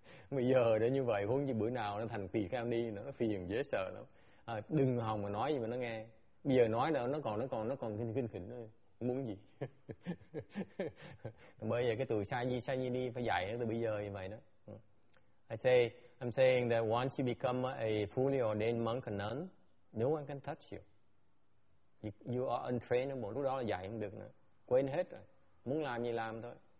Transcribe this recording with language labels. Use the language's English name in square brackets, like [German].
[Vietnamese] Bây giờ để như vậy huống chi bữa nào nó thành tì kheo đi nữa, nó phiền dễ sợ lắm. Đừng hòng mà nói gì mà nó nghe, bây giờ nói là nó còn kinh khỉnh thôi. Muốn gì? Bây giờ cái từ sai nhi đi phải dạy từ bây giờ như vậy đó. [English] I'm saying that once you become a fully ordained monk and nun, no one can touch you. You are untrainable. [Vietnamese] Lúc đó là dạy không được nữa. Quên hết rồi. Muốn làm gì làm thôi.